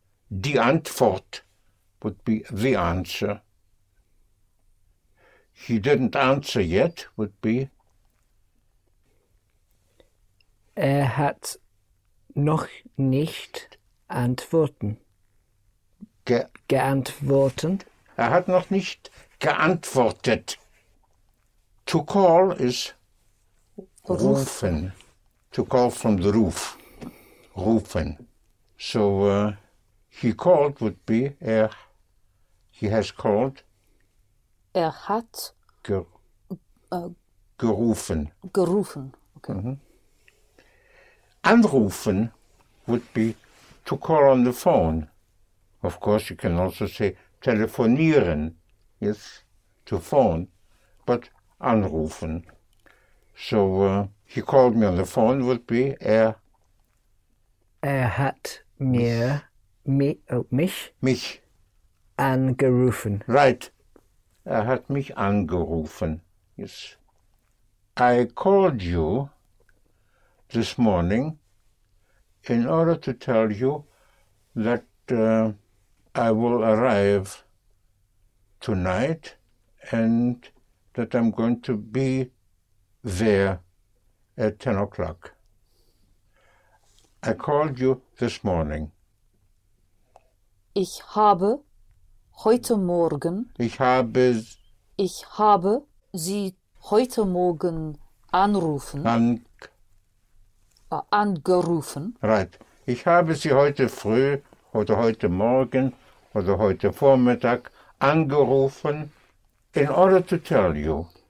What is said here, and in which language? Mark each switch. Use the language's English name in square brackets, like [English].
[English] Die Antwort would be the answer. He didn't answer yet would be. [German] Er hat noch nicht antworten. Geantworten. Er hat noch nicht geantwortet. [English] To call is rufen. To call from the roof. Rufen. So he called would be he has called. [German] Er hat gerufen. Gerufen. Okay. Mm-hmm. [English] Anrufen would be to call on the phone. Of course, you can also say telefonieren, yes, to phone, but anrufen. So, he called me on the phone would be [German] Er hat mich angerufen. [English] Right. [German] Er hat mich angerufen, yes. [English] I called you this morning in order to tell you that I will arrive tonight and that I'm going to be there at 10 o'clock. I called you this morning. [German] Ich habe heute Morgen... Ich habe Sie heute Morgen anrufen... Angerufen. [English] Right. [German] Ich habe Sie heute früh oder heute Morgen... oder heute Vormittag angerufen, [English] in order to tell you.